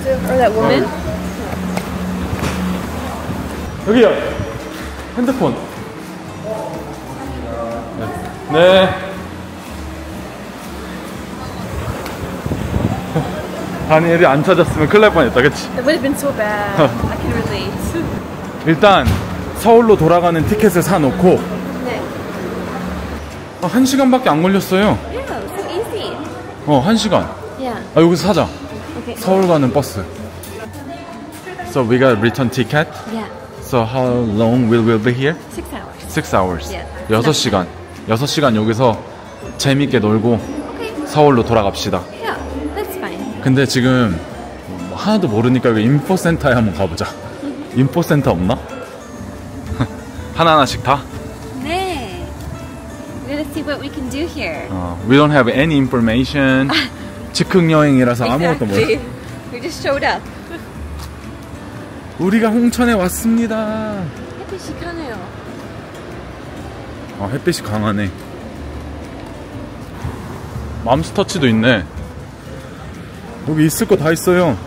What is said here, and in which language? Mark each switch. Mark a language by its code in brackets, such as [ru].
[en] That woman. [ko] 여기요. 핸드폰. 네. 네. 다니엘이 안 찾았으면 큰일 날 뻔했다, 그치? [en] It would have been so bad. I can relate. [ko] 일단. 서울로 돌아가는 티켓을 사놓고. 네. 아, 한 시간밖에 안 걸렸어요. [en] Yeah, so easy. [ko] 어, 한 시간. [en] Yeah. [ko] 아, 여기서 사자. [en] Okay. [ko] 서울 가는 버스. [en] So we got return ticket. Yeah. So how long will we be here? Six hours. Yeah. [ko] 6시간. 6시간 여기서 재밌게 놀고. [en] Okay. [ko] 서울로 돌아갑시다. [en] Yeah, that's fine. [ko] 근데 지금 하나도 모르니까 여기 인포센터에 한번 가보자. 인포센터 없나? 하나하나씩 다? 네. [en] We gotta see what we can do here. We don't have any information. [ko] 즉흥 여행이라서 [en] exactly. [ko] 아무것도 몰라. [en] We just showed up. [ko] 우리가 홍천에 왔습니다. 햇빛이 강해요. 아, 햇빛이 강하네. 맘스 터치도 있네. 여기 있을 거 다 있어요.